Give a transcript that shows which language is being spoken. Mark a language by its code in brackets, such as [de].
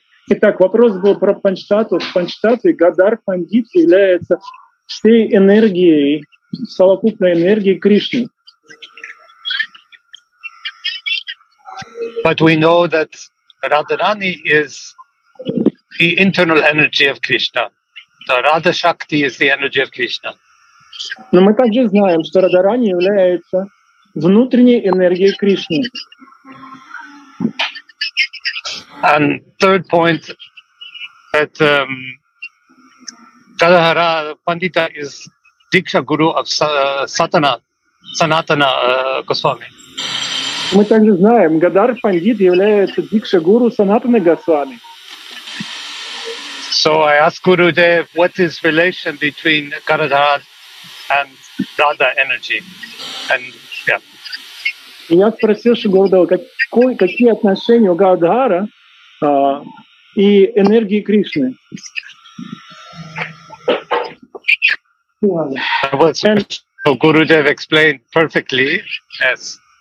[ru] Итак, вопрос был про Панчтату. Панчтату и Гадар Пандит является всей энергией, совокупной энергией Кришны. [en] But we know that Radharani is the internal energy of Krishna. The Radha Shakti is the energy of Krishna. [ru] Но мы также знаем, что Радарани является внутренней энергией Кришны. [en] And third point, that Gadadhara Pandita is Diksha Guru of Satana, Sanatana Goswami. [ru] Мы также знаем, Гадар Пандит является Дикша Гуру Санатана Госвами. [en] So I ask Gurudev, what is relation between Gadadhara and Radha energy? And yeah. [ru] Я спросил, что Гурудева, какие отношения у Гадхара и энергии Кришны. [en] Well, so Gurudev explained perfectly, yes.